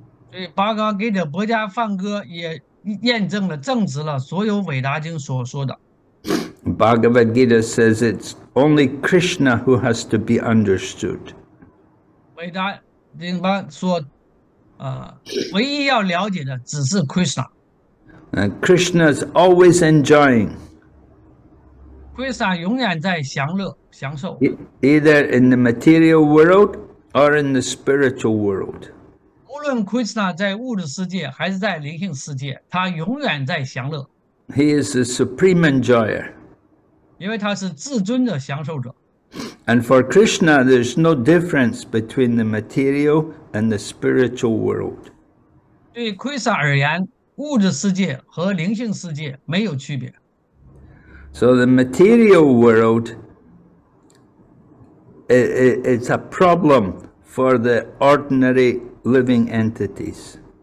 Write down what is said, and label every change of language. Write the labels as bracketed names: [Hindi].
[Chinese] 所以巴嘎给的薄伽梵歌也验证了证实了所有伟达经所说的。 [English] Bhagavad Gita says it's only Krishna who has to be understood. [Chinese] 伟达经说, 唯一要了解的只是Krishna. [English] And Krishna's always enjoying. [Chinese] Krishna永远在享乐, 享受, [English] either in the material world or in the spiritual world. [Chinese] 无论Krishna在物质世界还是在灵性世界, 他永远在享乐。 [English] He is the supreme enjoyer. [Chinese] 因为他是至尊的享受者。 [English] And for Krishna, there's no difference between the material and the spiritual world. [Chinese] 对Krishna而言, 物质世界和灵性世界没有区别。 [English] So the material world, it's a problem for the ordinary living entities.